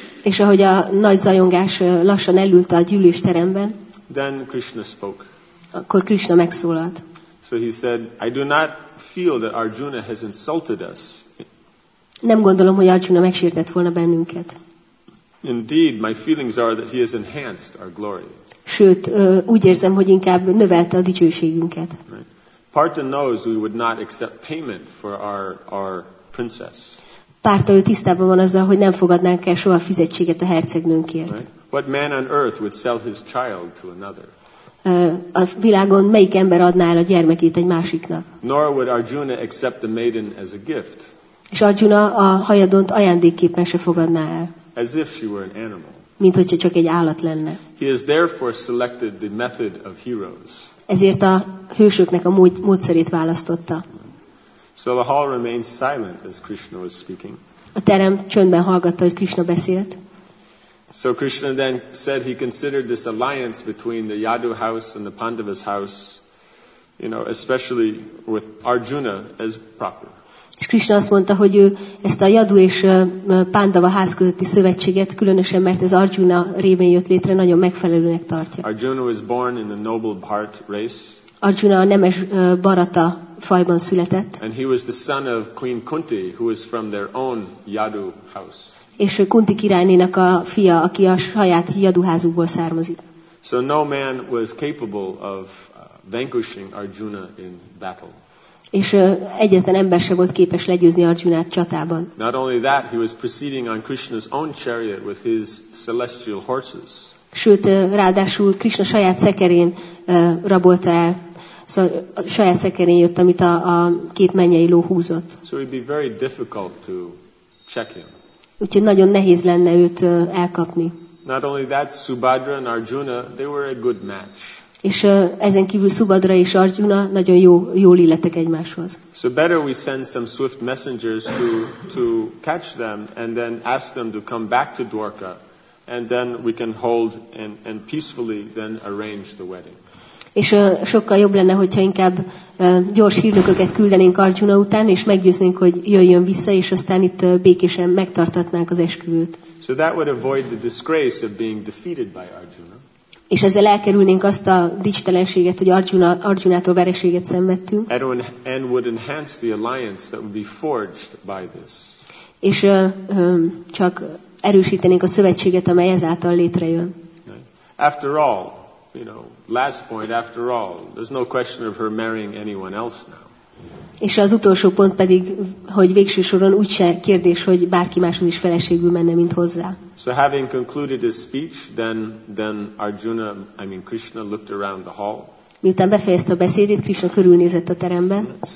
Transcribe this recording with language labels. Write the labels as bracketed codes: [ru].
[hu] És ahogy a nagy zajongás lassan elült a gyűlésteremben. [en] Then Krishna spoke. [hu] Akkor Krishna megszólalt. [en] So he said, I do not feel that Arjuna has insulted us. [hu] Nem gondolom, hogy Arjuna megsértett volna bennünket. [en] Indeed, my feelings are that he has enhanced our glory. [hu] Sőt, úgy érzem, hogy inkább növelte a dicsőségünket. [en] Right. Parta knows we would not accept payment for our princess. [hu] Parta ő tisztában van azzal, hogy nem fogadnánk el soha fizetséget a hercegnőnkért. [en] Right. What man on earth would sell his child to another? [hu] A világon melyik ember adná el a gyermekét egy másiknak? [en] Nor would Arjuna accept the maiden as a gift. [hu] És Arjuna a hajadont ajándékképpen se fogadná el. [en] As if she were an animal. [hu] Mint hogyha csak egy állat lenne. [en] He has therefore selected the method of heroes. [hu] Ezért a hősöknek a módszerét választotta. [en] So the hall remained silent as Krishna was speaking. [hu] A terem csöndben hallgatta, hogy Krishna beszélt. [en] So Krishna then said he considered this alliance between the Yadu house and the Pandavas house, you know, especially with Arjuna as proper. [hu] És Krishna azt mondta, hogy ő ezt a Yadu és Pandava ház közötti szövetséget, különösen mert ez Arjuna révén jött létre, nagyon megfelelőnek tartja. [en] Arjuna was born in the noble Bharat race. [hu] Arjuna a nemes Bharata fajban született. [en] And he was the son of Queen Kunti, who was from their own Yadu house. [hu] És Kunti királynénak a fia, aki a saját Yadu házukból származik. [en] So no man was capable of vanquishing Arjuna in battle. [hu] És egyetlen ember sem volt képes legyőzni Arjunát csatában. [en] Not only that, he was proceeding on Krishna's own chariot with his celestial horses. [hu] Sőt, ráadásul Krishna saját szekerén rabolta el, szóval saját szekerén jött, amit a két mennyei ló húzott. [en] So it'd be very difficult to check him. [hu] Úgyhogy nagyon nehéz lenne őt elkapni. [en] Not only that, Subhadra and Arjuna, they were a good match. [hu] És ezen kívül Subhadra és Arjuna nagyon jó illetek egymáshoz. [en] So better we send some swift messengers to catch them and then ask them to come back to Dwarka and then we can hold and peacefully then arrange the wedding. [hu] És sokkal jobb lenne, hogyha inkább gyors hírnököket küldenénk Arjuna után és meggyőznénk, hogy jöjjön vissza és aztán itt békésen megtartatnánk az esküvőt. [en] So that would avoid the disgrace of being defeated by Arjuna. [hu] És ezzel elkerülnénk azt a dicstelenséget, hogy Arjunától vereséget szenvedtünk. [en] And would enhance the alliance that would be forged by this. [hu] És csak erősítenénk a szövetséget, amely ezáltal létrejön. [en] After all, you know, last point, after all, there's no question of her marrying anyone else now. [hu] És az utolsó pont pedig, hogy végső soron úgyse kérdés, hogy bárki máshoz is feleségül menne, mint hozzá. [en] So having concluded his speech, then Arjuna, I mean Krishna, looked around the hall. [hu] Miután befejezte a beszédét, Krishna körülnézett a teremben.